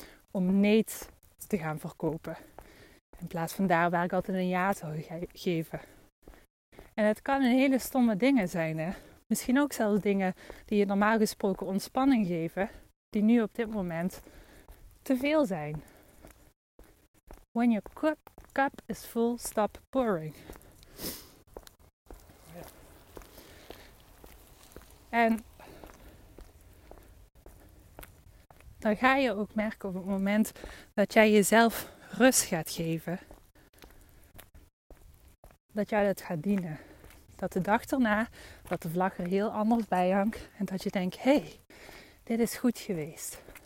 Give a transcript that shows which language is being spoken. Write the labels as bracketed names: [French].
[Dutch] Om nee te gaan verkopen. In plaats van daar waar ik altijd een ja zou geven. En het kan een hele stomme dingen zijn. Hè? Misschien ook zelfs dingen die je normaal gesproken ontspanning geven. Die nu op dit moment te veel zijn. [English] When your cup is full, stop pouring. [Dutch] En dan ga je ook merken op het moment dat jij jezelf rust gaat geven, dat jij dat gaat dienen. Dat de dag erna, dat de vlag er heel anders bij hangt en dat je denkt, hé, dit is goed geweest.